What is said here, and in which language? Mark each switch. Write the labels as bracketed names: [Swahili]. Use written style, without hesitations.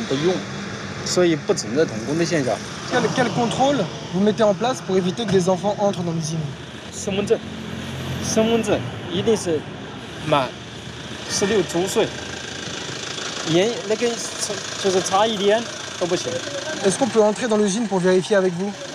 [Chinese] 这个关于童工之外，我当到我们厂里面没有，我们是后满16周岁的，我们不用，所以不存在童工的现象。 [French] Quel contrôle vous mettez en place pour éviter que les enfants entrent dans l'usine? [Chinese] 身份证，身份证一定是满。 [French] Est-ce qu'on peut entrer dans l'usine pour vérifier avec vous?